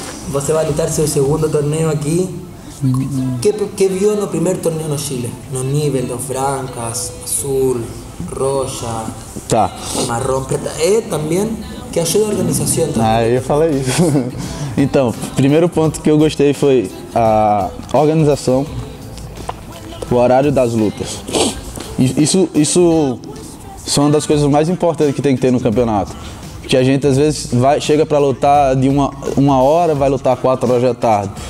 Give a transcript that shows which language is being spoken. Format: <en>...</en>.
<pt>Você vai lutar seu segundo torneio aqui.</pt> <es>¿Qué vio en el primer torneo en Chile? En el nivel, los blancas, azul, roja,</es> <pt>tá.</pt> <es>Marrón, preta. Y también, ¿qué ayuda a la organización? Ah, yo falei eso.</es> <pt>Então, primeiro ponto que eu gostei foi a organização, o horário das lutas. Isso são das coisas mais importantes que tem que ter no campeonato. Porque a gente às vezes chega para lutar de uma hora, vai lutar 4 horas da tarde.</pt>